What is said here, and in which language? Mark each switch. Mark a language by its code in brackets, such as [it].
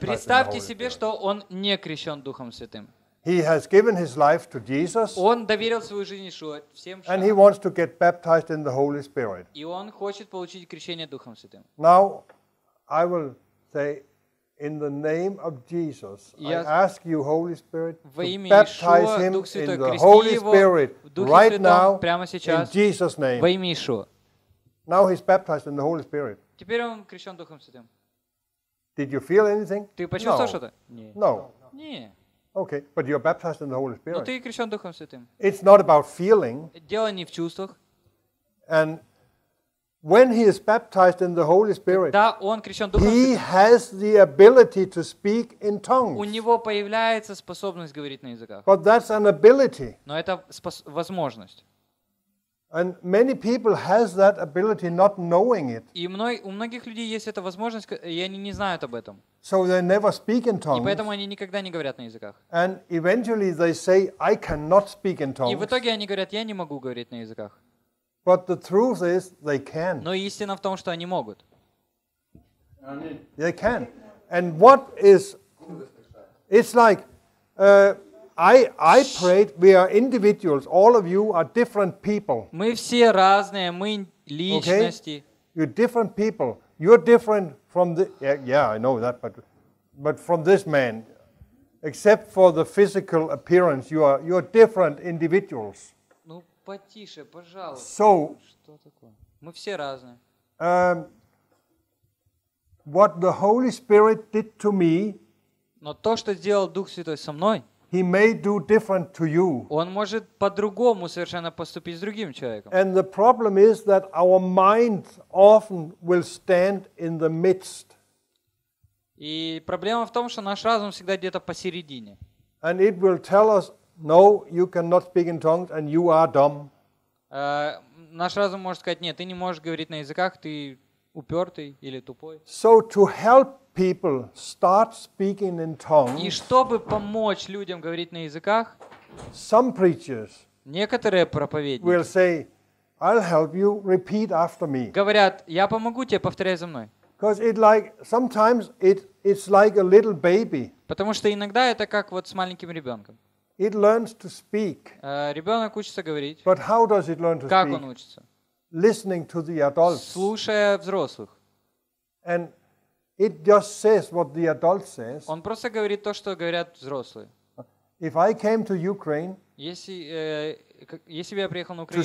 [ru] Представьте себе, что он не крещен Духом Святым. [en] He has given his life to Jesus. [ru] Он доверил свою жизнь Иисусу, всем. [en] And he wants to get baptized in the Holy Spirit. [ru] И он хочет получить крещение Духом Святым. [en] Now, I will say, in the name of Jesus, I ask you, Holy Spirit, to baptize him in the Holy Spirit right now, in Jesus' name. [ru] Во имя Иисуса. [en] Now he's baptized in the Holy Spirit. [ru] Теперь он крещен Духом Святым. [en] Did you feel anything? [ru] Ты почувствовал что-то? [en] No. [ru] Не. [en] Okay, but you're baptized in the Holy Spirit. [ru] Но ты крещен Духом Святым. [en] It's not about feeling. [ru] Дело не в чувствах. [en] And when he is baptized in the Holy Spirit, he has the ability to speak in tongues. [ru] У него появляется способность говорить на языках. [en] But that's an ability. [ru] Но это возможность. [en] And many people has that ability not knowing it. [ru] И у многих людей есть эта возможность, и они не знают об этом. [en] So they never speak in tongues. [ru] И поэтому они никогда не говорят на языках. [en] And eventually they say, I cannot speak in tongues. [ru] И в итоге они говорят, я не могу говорить на языках. [en] But the truth is, they can. [ru] Но истина в том, что они могут. [en] They can. And what is? It's like I prayed. We are individuals. All of you are different people. [ru] Мы все разные. Мы личности. [en] You're different people. You're different from the. Yeah, I know that. But from this man, except for the physical appearance, you're different individuals. [ru] Потише, пожалуйста. [en] So, [ru] что такое? Мы все разные. [en] What the Holy Spirit did to me, [ru] но то, что сделал Дух Святой со мной, [en] he may do different to you. [ru] Он может по-другому совершенно поступить с другим человеком. [en] And the problem is that our mind often will stand in the midst. [ru] И проблема в том, что наш разум всегда где-то посередине. [en] And it will tell us, no, you cannot speak in tongues, and you are dumb. [ru] Наш разум может сказать, нет, ты не можешь говорить на языках, ты упертый или тупой. [en] So to help people start speaking in tongues. [ru] И чтобы помочь людям говорить на языках, [en] some preachers, [ru] некоторые проповедники, [en] will say, I'll help you repeat after me. [ru] Говорят, я помогу тебе, повторяй за мной. [en] Because it like sometimes it's like a little baby. [ru] Потому что иногда это как вот с маленьким ребенком. [en] It learns to speak. [ru] Ребенок учится говорить. [en] But how does it learn to [ru] как [en] speak? [ru] Он учится? [en] Listening to the adults. [ru] Слушая взрослых. [en] And it just says what the adult says. [ru] Он просто говорит то, что говорят взрослые. [en] If I came to Ukraine, [ru] если бы я приехал на Украину,